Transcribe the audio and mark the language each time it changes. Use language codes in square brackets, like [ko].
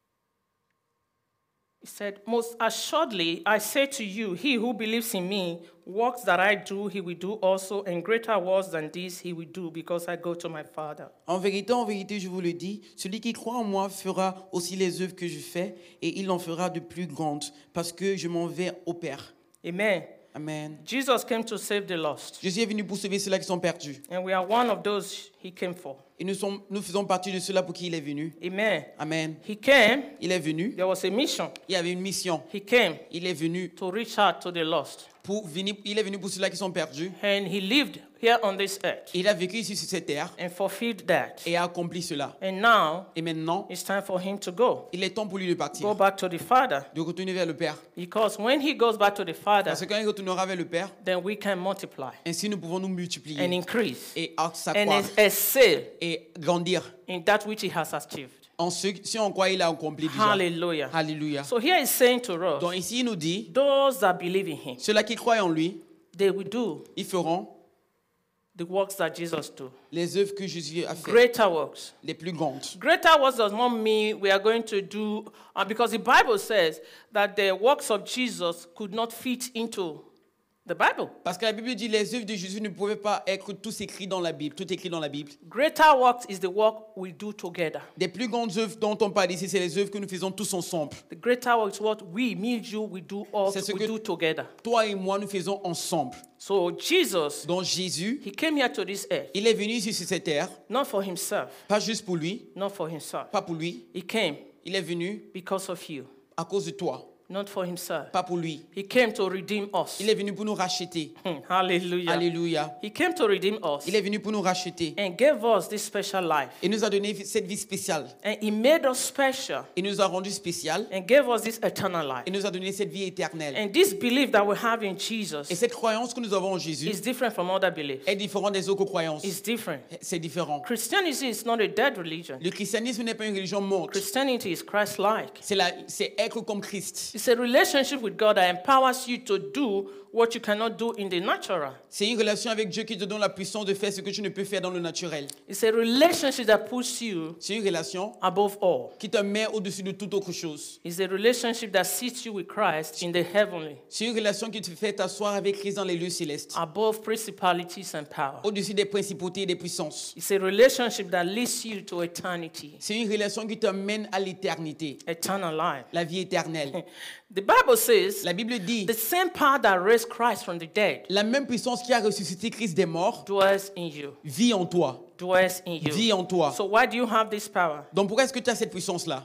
[en] Okay. He said, most assuredly, I say to you, he who believes in me, works that I do, he will do also, and greater works than this he will do, because I go to my Father. [fr] En vérité, je vous le dis, celui qui croit en moi fera aussi les œuvres que je fais, et il en fera de plus grandes, parce que je m'en vais au Père. [en] Amen. [fr] Amen. [en] Jesus came to save the lost. [fr] Jésus est venu pour sauver ceux-là qui sont perdus. [en] And we are one of those he came for. [fr] Et nous faisons partie de ceux-là pour qui il est venu. [en] Amen. [fr] Amen. [en] He came. [fr] Il est venu. [en] There was a mission. [fr] Il y avait une mission. [en] He came. [fr] Il est venu. [en] To reach out to the lost. [fr] Il est venu pour ceux-là qui sont perdus. [en] And he lived here on this earth. [fr] Il a vécu ici sur cette terre. [en] And fulfilled that. [fr] Et a accompli cela. [en] And now. [fr] Et maintenant. [en] It's time for him to go. [fr] Il est temps pour lui de partir. [en] Go back to the Father. [fr] De retourner vers le Père. [en] Because when he goes back to the Father. [fr] Parce que quand il retournera vers le Père. [en] Then we can multiply. [fr] Ainsi nous pouvons nous multiplier. [en] And increase. [fr] Et accroître. [en] And excel. [fr] Et grandir. [en] In that which he has achieved. [fr] En ce si on croit il a accompli déjà. [en] Hallelujah. [fr] Hallelujah. [en] So here he's saying to us. [fr] Donc ici il nous dit. [en] Those that believe in him. [fr] Ceux-là qui croient en lui. [en] They will do. [fr] Ils feront. [en] The works that Jesus do. [fr] Les œuvres que Jésus a fait. [en] Greater works. [fr] Les plus grandes. [en] Greater works does not mean we are going to do because the Bible says that the works of Jesus could not fit into the Bible. [fr] Parce que la Bible dit les œuvres de Jésus ne pouvaient pas être tous écrits dans la Bible, tout écrit dans la Bible. [en] Greater works is the work we do together. [fr] Les plus grandes œuvres dont on parle ici, c'est les œuvres que nous faisons tous ensemble. [en] The greater works what we, me, you, we do all we do together. [fr] Toi et moi nous faisons ensemble. [en] So Jesus, [fr] donc Jésus, [en] he came here to this earth. [fr] Il est venu ici sur cette terre. [en] Not for himself. [fr] Pas juste pour lui. [en] Not for himself. [fr] Pas pour lui. [en] He came. [fr] Il est venu [en] because of you. [fr] À cause de toi. [en] Not for himself. [fr] Pas pour lui. [en] He came to redeem us. [fr] Il est venu pour nous racheter. [en] Hallelujah. [fr] Hallelujah. [en] He came to redeem us. [fr] Il est venu pour nous racheter. [en] And gave us this special life. [fr] Et nous a donné cette vie spéciale. [en] And he made us special. [fr] Et nous a rendu spécial. [en] And gave us this eternal life. [fr] Et nous a donné cette vie éternelle. [en] And this belief that we have in Jesus. [fr] Et cette croyance que nous avons en Jésus. [en] Is different from other beliefs. [fr] Est différent des autres croyances. [en] It's different. [fr] C'est différent. [en] Christianity is not a dead religion. [fr] Le christianisme n'est pas une religion morte. [en] Christianity is Christ-like. [fr] C'est être comme Christ. [en] It's a relationship with God that empowers you to do what you cannot do in the natural. [fr] C'est une relation avec Dieu qui te donne la puissance de faire ce que tu ne peux faire dans le naturel. [en] It's a relationship that puts you. [fr] C'est une relation [en] above all. [fr] Qui te met au-dessus de toute autre chose. [en] It's a relationship that seats you with Christ in the heavenly. [fr] C'est une relation qui te fait t'asseoir avec Christ dans les lieux célestes. [en] Above principalities and power. [fr] Au-dessus des principautés et des puissances. [en] It's a relationship that leads you to eternity. [fr] C'est une relation qui te mène à l'éternité. [en] Eternal life. [fr] La vie éternelle. [en] The Bible says, [fr] la Bible dit, [en] the same power that raised Christ from the dead, [fr] la même puissance qui a ressuscité Christ des morts, [en] dwells in you. [fr] Vit en toi. [en] Dwells in you. [fr] Vit en toi. [en] So why do you have this power? [fr] Donc pourquoi est-ce que tu as cette puissance là?